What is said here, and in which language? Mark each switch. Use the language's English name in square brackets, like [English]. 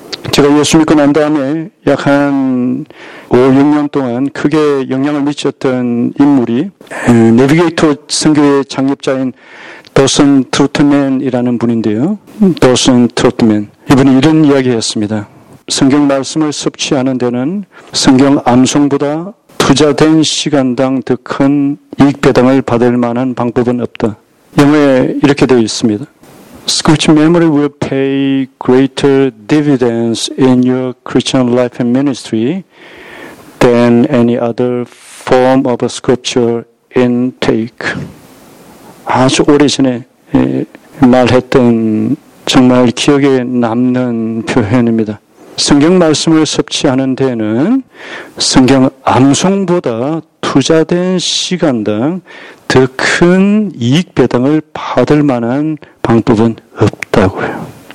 [Korean] 제가 예수 믿고 난 다음에 약 한 5, 6년 동안 크게 영향을 미쳤던 인물이 내비게이터 선교의 창립자인 도슨 트루트맨이라는 분인데요. 도슨 트루트맨. 이분이 이런 이야기했습니다. 성경 말씀을 섭취하는 데는 성경 암송보다 투자된 시간당 더 큰 이익 배당을 받을 만한 방법은 없다. 영어에 이렇게 되어 있습니다. [English] Scripture memory will pay greater dividends in your Christian life and ministry than any other form of a scripture intake. [Korean] 아주 오래전에 말했던 정말 기억에 남는 표현입니다. 성경 말씀을 섭취하는 데는 성경 암송보다 투자된 시간당 더 큰 이익 배당을 받을 만한 방법은 없다고요.